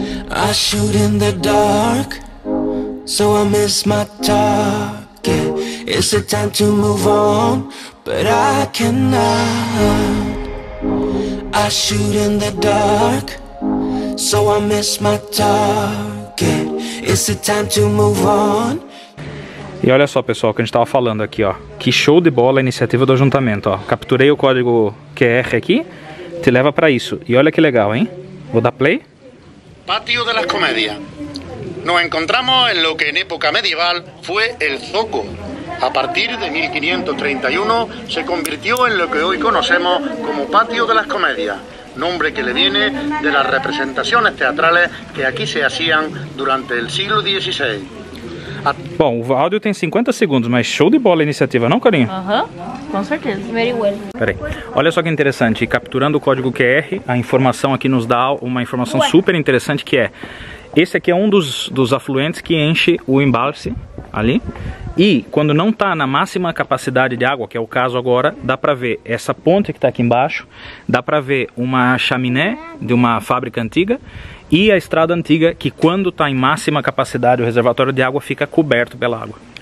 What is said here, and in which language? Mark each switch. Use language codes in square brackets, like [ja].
[en] I shoot in the dark, so I miss my target. It's a time to move on, but I cannot. I shoot in the dark, so I miss my target. It's a time to move on. [pt] E olha só, pessoal, o que a gente tava falando aqui, ó. Que show de bola a iniciativa do ajuntamento, ó. Capturei o código QR aqui, te leva pra isso. E olha que legal, hein? Vou dar play. [es] Pátio de las Comedias. Nos encontramos en lo que en época medieval fue el zoco. A partir de 1531 se convirtió en lo que hoy conocemos como Patio de las Comedias, nombre que le viene de las representaciones teatrales que aquí se hacían durante el siglo XVI. [pt] Bom, o áudio tem 50 segundos, mas show de bola a iniciativa, não, carinho? Aham, com certeza. [en] Very well. [pt] Peraí, olha só que interessante, capturando o código QR, a informação aqui nos dá uma informação super interessante que é, esse aqui é um dos afluentes que enche o embalse ali, e quando não está na máxima capacidade de água, que é o caso agora, dá para ver essa ponte que está aqui embaixo, dá para ver uma chaminé de uma fábrica antiga, e a estrada antiga, que quando está em máxima capacidade, o reservatório de água fica coberto pela água.